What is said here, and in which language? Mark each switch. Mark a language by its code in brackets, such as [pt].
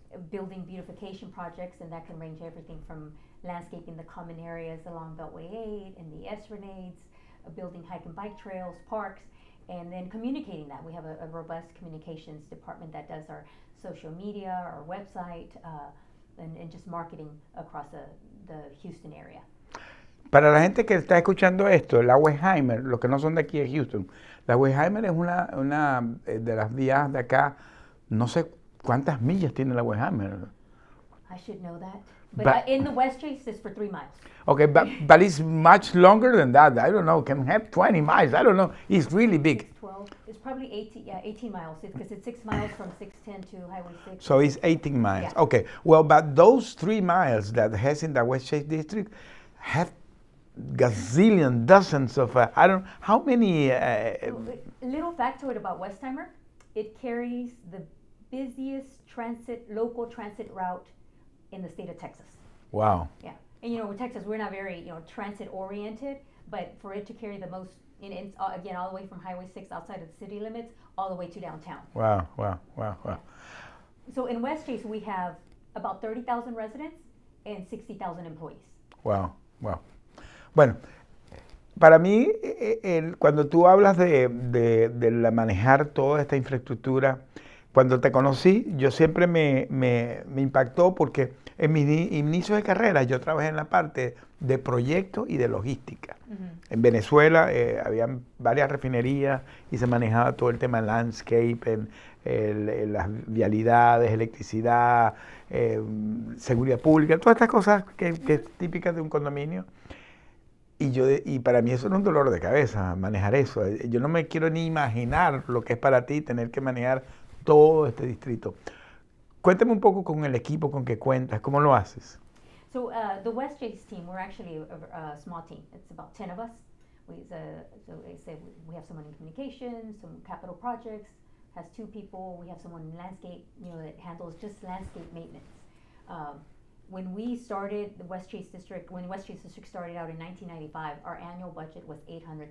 [en] building beautification projects, and that can range everything from landscaping the common areas along Beltway 8 and the Esplanades, building hike and bike trails, parks, and then communicating that. We have a robust communications department that does our social media, our website, and just marketing across the Houston area. [es] Para la gente que está escuchando esto, la Westheimer, los que no son de aquí de Houston, la Westheimer es una de las vías de acá, no sé cuántas millas tiene la Westheimer. [en] I should know that. But in the West Chase, it's for 3 miles. Okay, but it's much longer than that. I don't know. Can have 20 miles. I don't know. It's really big. It's 12. It's probably 18, yeah, 18 miles, because it's 6 miles from 610 to Highway 6. So it's 18 miles. Yeah. Okay. Well, but those 3 miles that has in the West Chase District have gazillion, dozens of, I don't know, how many? Little factoid about Westheimer, it carries the busiest transit, local transit route in the state of Texas. Wow. Yeah. And, you know, with Texas, we're not very, you know, transit-oriented, but for it to carry the most, and it's, again, all the way from Highway 6 outside of the city limits, all the way to downtown. Wow, wow, wow, wow. So in West Chase, we have about 30,000 residents and 60,000 employees. Wow, wow. [es] Bueno, para mí, cuando tú hablas de la manejar toda esta infraestructura, cuando te conocí, yo siempre me impactó porque en mis inicios de carrera yo trabajé en la parte de proyectos y de logística. Uh-huh. En Venezuela había varias refinerías y se manejaba todo el tema landscape, en las vialidades, electricidad, seguridad pública, todas estas cosas que es típica de un condominio. Y para mí eso era un dolor de cabeza, manejar eso. Yo no me quiero ni imaginar lo que es para ti tener que manejar todo este distrito. Cuéntame un poco con el equipo con que cuentas, ¿cómo lo haces? [en] So the West Chase team, we're actually a small team. It's about 10 of us. So they say we have someone in communications, some capital projects, has two people. We have someone in landscape, you know, that handles just landscape maintenance. When we started the West Chase District, when West Chase District started out in 1995, our annual budget was $800,000.